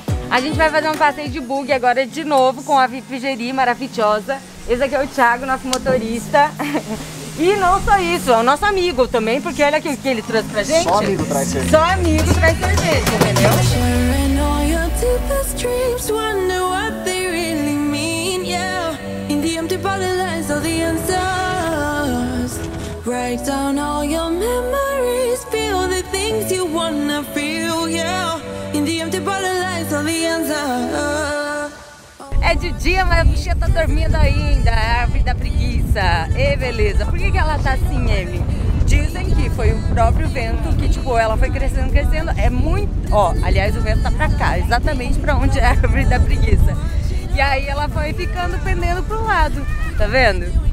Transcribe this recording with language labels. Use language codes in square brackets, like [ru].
[pt] A gente vai fazer um passeio de bug agora de novo com a VIP Jeri maravilhosa. Esse aqui é o Thiago, nosso motorista. E não só isso, é o nosso amigo também, porque olha aqui o que ele trouxe pra gente. Só amigo traz cerveja. Só amigo traz cerveja, entendeu? [en] Deepest dreams, wonder what they really mean, yeah. In the empty body lies all the answers. Write down all your memories, feel the things you wanna feel, yeah. In the empty body lies all the answers. [pt] É de dia, mas a bichinha tá dormindo ainda, a árvore da preguiça. E beleza, por que ela tá assim, Emi? Dizem que foi o próprio vento que, tipo, ela foi crescendo, crescendo. É muito... Ó, aliás, o vento tá pra cá, exatamente pra onde é a árvore da preguiça. E aí ela foi ficando pendendo pro lado, tá vendo?